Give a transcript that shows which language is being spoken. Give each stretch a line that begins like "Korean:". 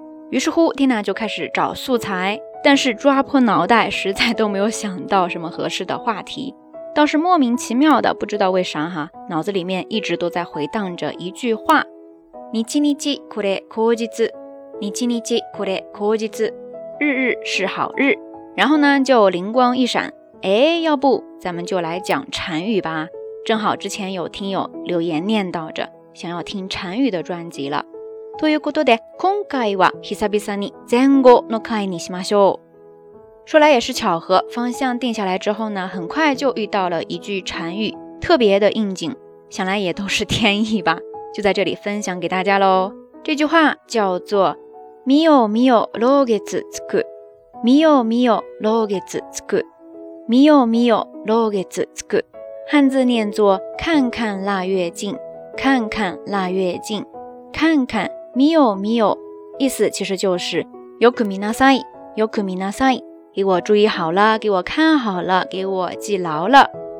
Chinese: 于是乎 Tina 就开始找素材，但是抓破脑袋实在都没有想到什么合适的话题，倒是莫名其妙的不知道为啥哈，脑子里面一直都在回荡着一句话，
Japanese: 日日これ口実，日日これ口実，
Chinese: 日日是好日。然后呢就灵光一闪，哎，要不咱们就来讲禅语吧，正好之前有听友留言念叨着想要听禅语的专辑了。
Japanese: ということで、今回は久々に禅語の回にしましょう。
Chinese: 说来也是巧合，方向定下来之后呢，很快就遇到了一句禅语，特别的应景，想来也都是天意吧，就在这里分享给大家咯。这句话叫做
Japanese: 見よ見よ老月つく，見よ見よ老月つく，見よ見よ老月つく，
Chinese: 汉字念作看看腊月近，看看腊月近，看看
Japanese: 見よ見よ，
Chinese: 意思其实就是
Japanese: よく見なさい，よく見なさい，
Chinese: 给我注意好了，给我看好了，给我记牢了。